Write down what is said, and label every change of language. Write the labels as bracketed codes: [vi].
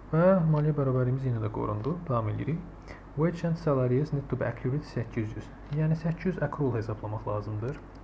[az] Və maliyyə bərabərimiz yenə də qorundu. Davam edirik. [en] Wage and salaries need to be accurate 800. [az] Yəni 800 accrual hesablamaq lazımdır.